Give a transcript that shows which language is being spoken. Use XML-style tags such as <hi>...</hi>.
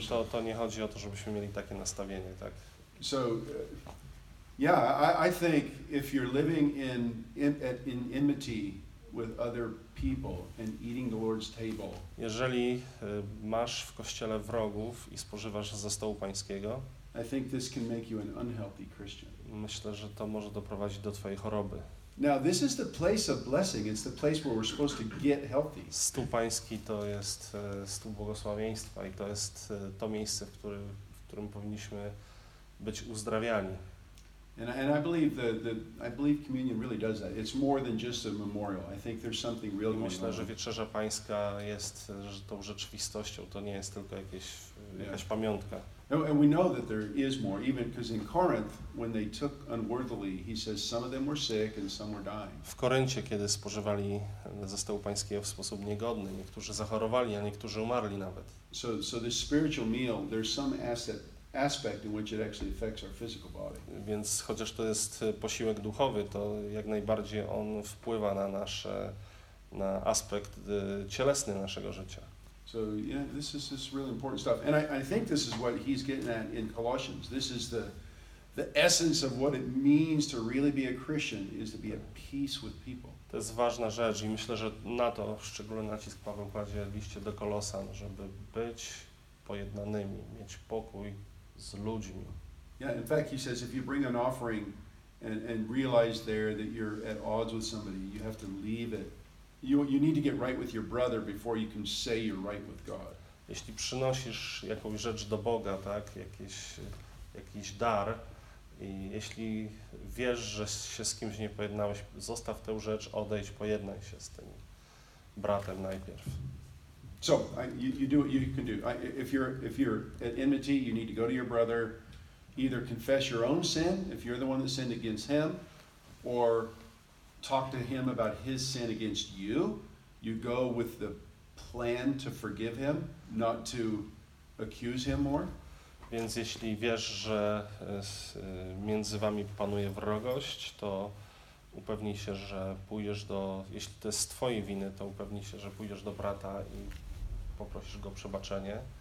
<pl>To nie chodzi o to, żebyśmy mieli takie nastawienie, tak?</pl> <en>So, yeah, I think if you're living in enmity with other people and eating the Lord's table.</en> <pl>Jeżeli masz w kościele wrogów i spożywasz ze stołu Pańskiego,</pl> <en>I think this can make you an unhealthy Christian.</en> <pl>Myślę, że to może doprowadzić do twojej choroby.</pl> <en>Now this is the place of blessing. It's the place where we're supposed to get healthy.</en> <pl>Stół Pański to jest stół błogosławieństwa i to jest to miejsce, w którym powinniśmy być uzdrawiani.</pl> <en>And I believe I believe communion really does that. It's more than just a memorial. I think there's something real going on.</en> <pl>Myślę, że wieczerza Pańska jest tą rzeczywistością. To nie jest tylko jakaś pamiątka.</pl> <en>And we know that there is more, even because in Corinth, when they took unworthily, he says some of them were sick and some were dying.</en> <pl>W Koryncie, kiedy spożywali ze stołu Pańskiego w sposób niegodny, niektórzy zachorowali, a niektórzy umarli nawet.</pl> <en>So this spiritual meal, there's some aspect in which it actually affects our physical body.</en> <pl>Więc chociaż to jest posiłek duchowy, to jak najbardziej on wpływa na nasze, na aspekt cielesny naszego życia.</pl> <en>So yeah, this is really important stuff. And I think this is what he's getting at in Colossians. This is the essence of what it means to really be a Christian is to be at peace with people.</en> <pl>To jest ważna rzecz i myślę, że na to szczególny nacisk Paweł kładzie w liście do Kolosan, żeby być pojednanymi, mieć pokój z ludźmi.</pl> <en>Yeah, in fact he says if you bring an offering and realize there that you're at odds with somebody, you have to leave it. You need to get right with your brother before you can say you're right with God.</en> <pl>Jeśli przynosisz jakąś rzecz do Boga, tak, jakiś dar, i jeśli wiesz, że się z kimś nie pojednałeś, zostaw tę rzecz, odejdź, pojednaj się z tym bratem najpierw.</pl> <en>So, you do what you can do. If you're at enmity, you need to go to your brother, either confess your own sin, if you're the one that sinned against him, or talk to him about his sin against you. You go with the plan to forgive him, not to accuse him more.</en> <pl>Więc jeśli wiesz, że między wami panuje wrogość, to upewnij się, że pójdziesz do, jeśli to jest z twojej winy, to upewnij się, że pójdziesz do brata i poprosisz go o przebaczenie.</pl>